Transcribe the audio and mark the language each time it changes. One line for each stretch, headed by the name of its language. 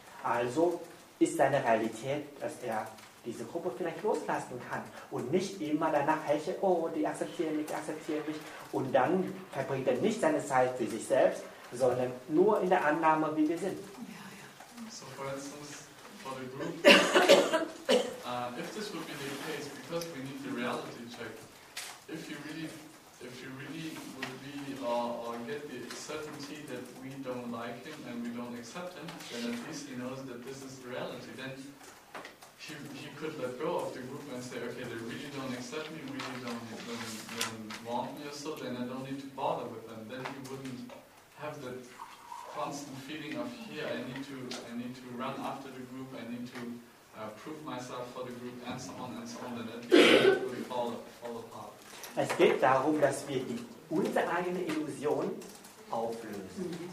German: Also ist seine Realität, dass er diese Gruppe vielleicht loslassen kann und nicht immer danach hechelt, oh, die akzeptieren mich. Und dann verbringt er nicht seine Zeit für sich selbst, sondern nur in der Annahme, wie wir sind.
English: So, for instance, for the group, if this would be the case, because we need the reality check, if you really would get the certainty that we don't like him and we don't accept him, then at least he knows that this is the reality. Then he could let go of the group and say, okay, they really don't accept me, really don't want me or so, then I don't need to bother with them. Then he wouldn't have that constant feeling of, here, I need to run after the group, I need to prove myself for the group, and so on, then at least it would fall apart.
German: Es geht darum, dass wir unsere eigene Illusion auflösen.